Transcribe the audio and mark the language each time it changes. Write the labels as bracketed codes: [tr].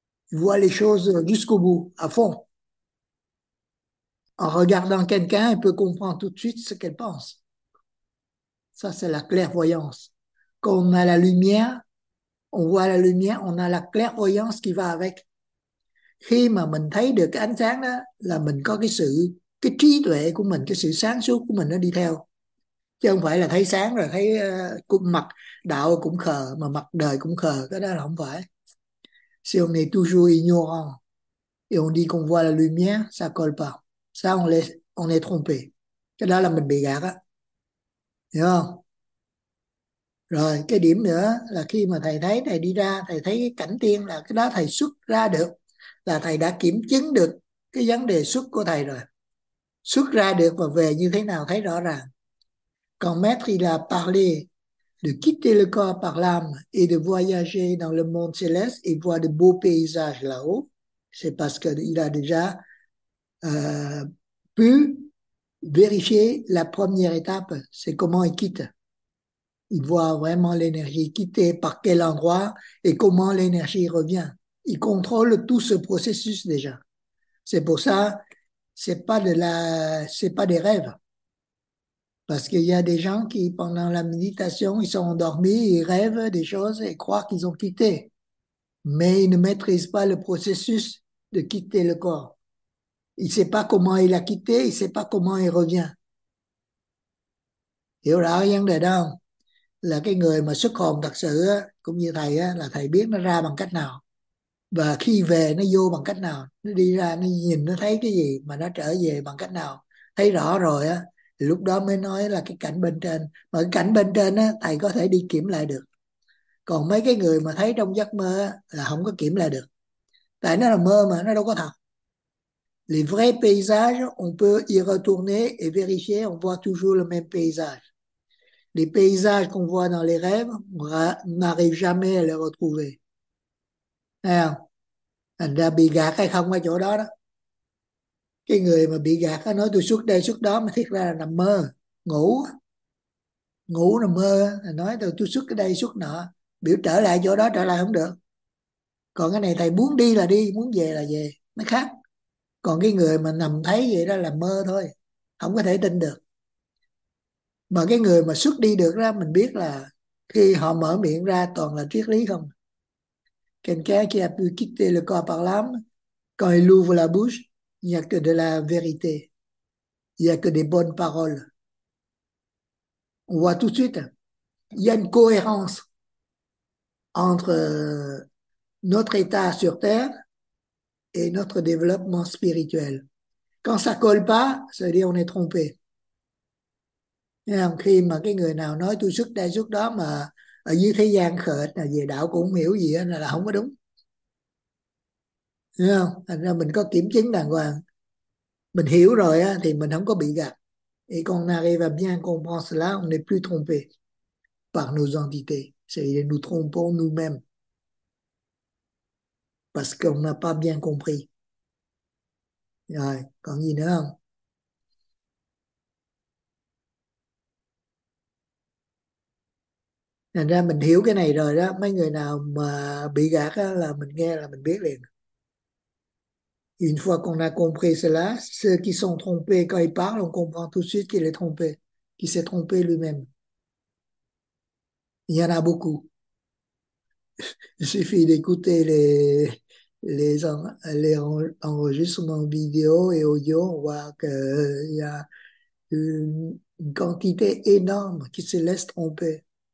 [fr] Il voit les choses jusqu'au bout, à fond. En regardant quelqu'un, il peut comprendre tout de suite ce qu'elle pense. Ça, c'est la clairvoyance. Quand on a la lumière, on voit la lumière, on a la clairvoyance qui va avec. [vi] Khi mà mình thấy được cái ánh sáng đó là mình có cái trí tuệ của mình, cái sự sáng suốt của mình nó đi theo. Chứ không phải là thấy sáng rồi thấy mặt đạo cũng khờ mà mặt đời cũng khờ, cái đó là không phải. [fr] Si on est toujours ignorant et on dit qu'on voit la lumière, ça colle pas. Ça, on est trompé. [vi] Cái đó là mình bị gạt á. Hiểu không? Rồi cái điểm nữa là khi mà thầy thấy thầy đi ra thầy thấy cái cảnh tiên là cái đó thầy xuất ra được, là thầy đã kiểm chứng được cái vấn đề xuất của thầy rồi, xuất ra được và về như thế nào thấy rõ ràng. Còn [fr] maître il a parlé de quitter le corps par l'âme et de voyager dans le monde céleste et voir de beaux paysages là-haut, c'est parce qu'il a déjà pu vérifier la première étape, c'est comment il quitte. Il voit vraiment l'énergie quitter, par quel endroit et comment l'énergie revient. Il contrôle tout ce processus déjà. C'est pour ça, c'est pas des rêves. Parce qu'il y a des gens qui, pendant la méditation, ils sont endormis, ils rêvent des choses et croient qu'ils ont quitté. Mais ils ne maîtrisent pas le processus de quitter le corps. Il ne sait pas comment il a quitté, il ne sait pas comment il revient. [vi] Hiểu rõ vấn đề đâu? Là cái người mà xuất hồn thật sự á, cũng như thầy á, là thầy biết nó ra bằng cách nào. Và khi về nó vô bằng cách nào, nó đi ra, nó nhìn, nó thấy cái gì, mà nó trở về bằng cách nào. Thấy rõ rồi á, lúc đó mới nói là cái cảnh bên trên. Mà cái cảnh bên trên á, thầy có thể đi kiểm lại được. Còn mấy cái người mà thấy trong giấc mơ á, là không có kiểm lại được. Tại nó là mơ mà, nó đâu có thật. [fr] Les vrais paysages, on peut y retourner et vérifier, on voit toujours le même paysage. Les paysages qu'on voit dans les rêves, on n'arrive jamais à les retrouver. [vi] Thấy không? Thành ra bị gạt hay không ở chỗ đó đó. Cái người mà bị gạt nó nói tôi suốt đây suốt đó mà thiệt ra là nằm mơ, ngủ. Ngủ nằm mơ, nói tôi suốt cái đây suốt nọ, biểu trở lại chỗ đó trở lại không được. Còn cái này thầy muốn đi là đi, muốn về là về, nó khác. Còn cái người mà nằm thấy vậy đó là mơ thôi, không có thể tin được. Mà cái người mà xuất đi được ra mình biết là khi họ mở miệng ra toàn là triết lý không. [fr] Quelqu'un qui a pu quitter le corps par l'âme, quand il ouvre la bouche, il n'y a que de la vérité. Il n'y a que des bonnes paroles. On voit tout de suite, il y a une cohérence entre notre état sur Terre et notre développement spirituel. Quand ça colle pas, ça veut dire on est trompé. [vi] Khi mà cái người nào nói tôi xuất đây xuất đó mà ở dưới thế gian khờ là về đạo cũng không hiểu gì hết, là không có đúng. Thấy không? Thành ra mình có kiểm chứng đàng hoàng. Mình hiểu rồi á, thì mình không có bị gạt. [fr] Et quand on arrive à bien comprendre cela, on n'est plus trompé par nos entités. C'est-à-dire nous trompons nous-mêmes. Parce qu'on n'a pas bien compris. [vi] Rồi, còn gì nữa không? Thành ra mình hiểu cái này rồi đó, mấy người nào mà bị gạt đó, là mình nghe là mình biết liền. [fr] Une fois qu'on a compris cela, ceux qui sont trompés, quand ils parlent, on comprend tout de suite qu'il est trompé, qu'il s'est trompé lui-même. Il y en a beaucoup. Il suffit d'écouter les enregistrements vidéo et audio, on voit qu'il y a une quantité énorme qui se laisse tromper.